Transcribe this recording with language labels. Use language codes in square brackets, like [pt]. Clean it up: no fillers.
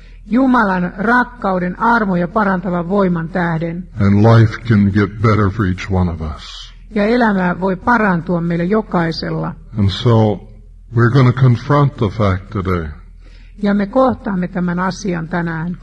[fi] Jumalan rakkauden, armo ja parantavan voiman tähden. [en] And life can get better for each one of us. [fi] Ja elämä voi parantua meillä jokaisella. [en] And so we're going to confront the fact today. [fi] Ja me kohtaamme tämän asian tänään.